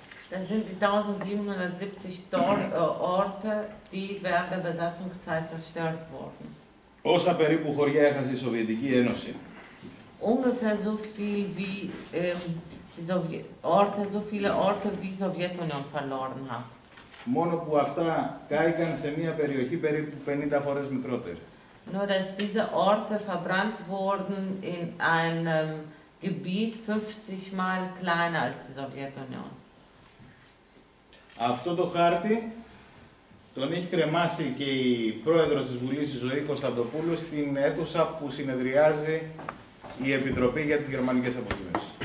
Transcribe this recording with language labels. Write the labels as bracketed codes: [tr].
[de] Das sind die 1770 Orte, die während der Besatzungszeit zerstört wurden. [el] Όσα περίπου χωριά έχασε η Σοβιετική Ένωση. [de] Ungefähr so viel wie die Orte, so viele Orte wie Sowjetunion verloren hat. [el] Μόνο που αυτά κάηκαν σε μια περιοχή περίπου 50 φορές μικρότερη. [de] Nur dass diese Orte verbrannt wurden in einem Gebiet 50 mal kleiner als die Sowjetunion. [el] Αυτό το χάρτη τον έχει κρεμάσει και η πρόεδρος της Βουλής, η Ζωή Κωνσταντοπούλου, στην αίθουσα που συνεδριάζει η Επιτροπή για τις Γερμανικές Αποζημίωσεις.